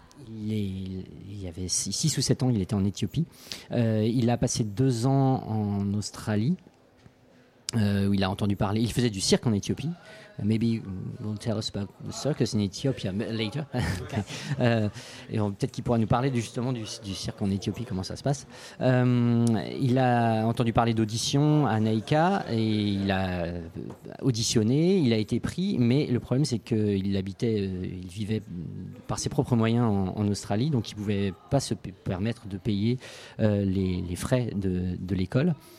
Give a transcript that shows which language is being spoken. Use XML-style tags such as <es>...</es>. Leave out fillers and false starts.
<fr>Il avait 6 ou 7 ans. Il était en Éthiopie. Il a passé 2 ans en Australie, où il a entendu parler. Il faisait du cirque en Éthiopie.</fr> <en>Maybe you'll tell us about the circus in Ethiopia later. Okay.</en> <fr>Peut-être qu'il pourra nous parler justement du cirque en Éthiopie, comment ça se passe. Il a entendu parler d'audition à NICA et il a auditionné, il a été pris, mais le problème c'est qu'il habitait, il vivait par ses propres moyens en Australie, donc il ne pouvait pas se permettre de payer les frais de l'école.</fr>